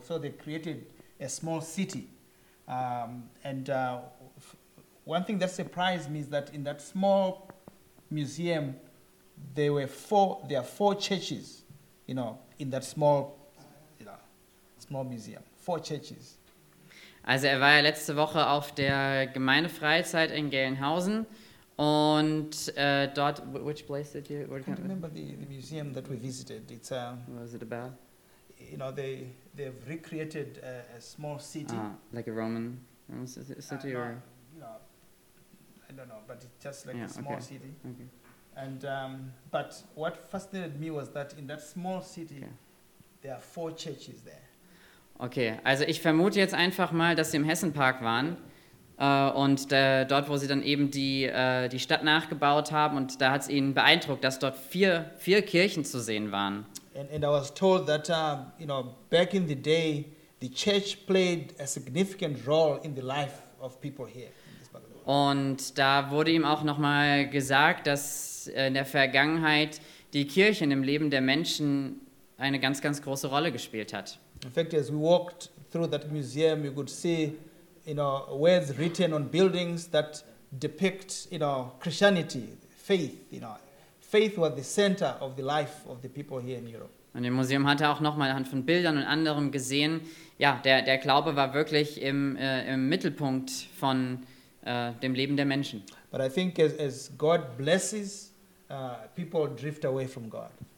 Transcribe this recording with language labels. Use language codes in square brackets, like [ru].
[en] So they created a small city. One thing that surprised me is that in that small museum, there are four churches, you know, in that small, you know, small museum. 4 churches. [de] Also er war ja letzte Woche auf der Gemeindefreizeit in Gelnhausen. Und dort, [en] which place did you? I can't remember the museum that we visited. It's what was it about? You know, they've recreated a small city. Like a Roman city or? I don't know, but it's just like a small city. Okay. And but what fascinated me was that in that small city, there are 4 churches there. [de] Okay, also ich vermute jetzt einfach mal, dass sie im Hessenpark waren. Dort, wo sie dann eben die Stadt nachgebaut haben, und da hat es ihnen beeindruckt, dass dort vier Kirchen zu sehen waren. [en] And I was told that you know, back in the day, the church played a significant role in the life of people here. [de] Und da wurde ihm auch nochmal gesagt, dass in der Vergangenheit die Kirche im Leben der Menschen eine ganz, ganz große Rolle gespielt hat. [en] In fact, as we walked through that museum, you could see, you know, words written on buildings that depict, you know, Christianity, faith. You know, faith was the center of the life of the people here in Europe. [de] Und im Museum hat er auch nochmal anhand von Bildern und anderem gesehen, ja, der Glaube war wirklich im Mittelpunkt von dem Leben der Menschen. [en] But I think as God blesses, people drift away from God.